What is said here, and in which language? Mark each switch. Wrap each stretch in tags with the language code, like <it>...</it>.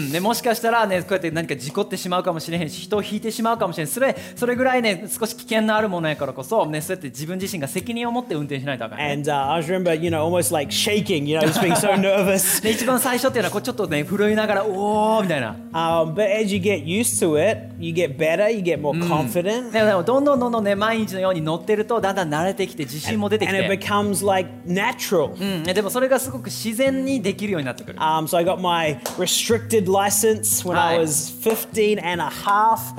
<ja>ね、もしかしたらね、こうやって何か事故ってしまうかもしれへんし、人を引いてしまうかもしれない。それぐらいね、少し危険のあるものやからこそ、ね、そうやって自分自身が責任を持って運転しないとあかん、ね。</ja> <en>And I remember, you know, almost like shaking, you know, just being so nervous.</en> <ja>ね、一番最初っていうのはこうちょっとね、震いながら、おーみたいな。</ja> <en>But as you get used to it, you get better, you get more confident.</en> <ja>ね、でもどんどんね、毎日のように乗ってると、だんだん慣れてきて自信も出てきて。</ja> <en>And it becomes like natural.</en> <ja>でもそれがすごく自然にできるようになってくる。</ja> <en>So I got my restricted license when I was 15 and a half.</en>